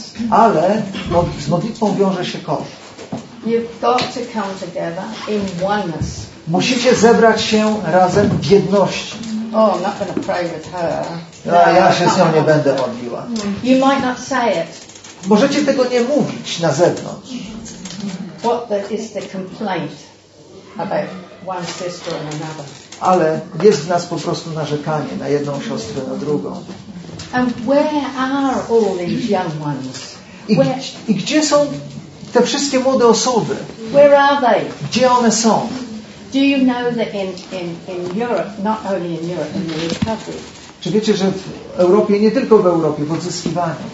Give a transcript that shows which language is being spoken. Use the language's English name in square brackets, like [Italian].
[Polish] Ale z modlitwą wiąże się koszt. [English] You've got to come together in oneness. [Polish] Musicie zebrać się razem w jedności. [English] Oh, I'm not gonna pray with her. [Polish] No, ja się z nią nie będę modliła. [English] You might not say it. [Polish] Możecie tego nie mówić na zewnątrz. [English] What is the complaint about one sister and another? [Polish] Ale jest w nas po prostu narzekanie na jedną siostrę, na drugą. [English] And where are all these young ones? [Polish] I gdzie są te wszystkie młode osoby? [English] Where are they? [Polish] Gdzie one są? [English] Do you know that in Europe, not only in Europe, in the recovery? [Polish] Czy wiecie, że w Europie, nie tylko w Europie, w odzyskiwaniu?